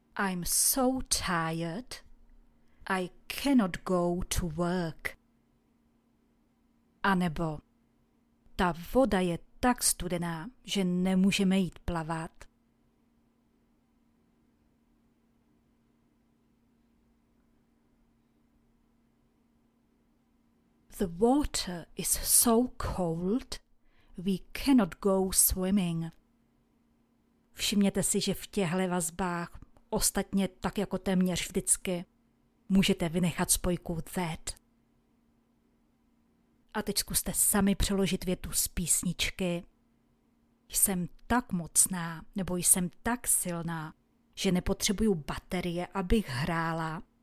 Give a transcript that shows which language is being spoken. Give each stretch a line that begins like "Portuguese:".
English: I'm so tired, I cannot go to work.
Czech: A nebo ta voda je tak studená, že nemůžeme jít plavat.
English: The water is so cold, we cannot go swimming.
Czech: Všimněte si, že v těchto vazbách ostatně tak jako téměř vždycky můžete vynechat spojku that. A teď zkuste sami přeložit větu z písničky. Jsem tak mocná, nebo jsem tak silná, že nepotřebuju baterie, abych hrála.